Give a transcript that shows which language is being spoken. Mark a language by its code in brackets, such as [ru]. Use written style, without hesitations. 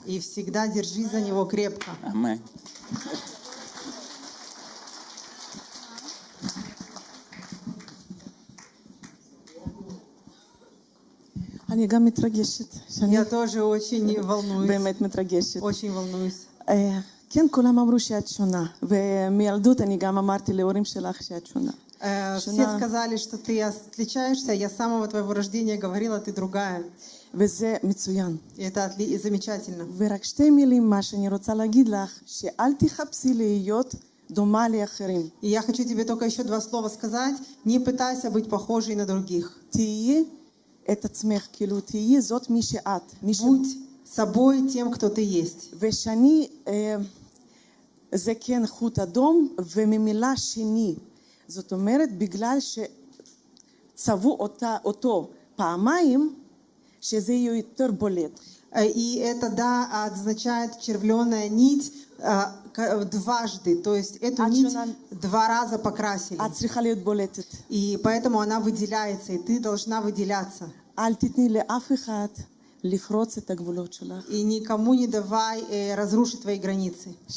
[ru] И всегда держи за Него крепко. Амэн. [he] אני גם מתרגשת. אני [ru] тоже очень волнуюсь. [he] באמת מתרגשת. [ru] очень волнуюсь. [he] כן, כולם אמרו שאת שונה. ומילדות אני גם אמרתי להורים שלך שאת שונה. [ru] Все сказали, что ты отличаешься. Я с самого твоего рождения говорила, ты другая. [he] וזה מצוין. [ru] Это замечательно. [he] ורק שתי מילים, מה שאני רוצה להגיד לך, שאל תחפשי להיות דומה לאחרים. [ru] И я хочу тебе только еще два слова сказать. Не пытайся быть похожей на других. [he] תהיי את עצמך, כאילו תהיי זאת מי שאת. [ru] Будь собой тем, кто ты есть. [he] ושני, זה כן חוט אדום, וממילה שני. זאת אומרת, בגלל שצבו אותו פעמיים, שזה יהיה יותר בולט. [ru] И это да означает червленая нить дважды, то есть эту нить два раза покрасили. И поэтому она выделяется, и ты должна выделяться. И никому не давай разрушить твои границы.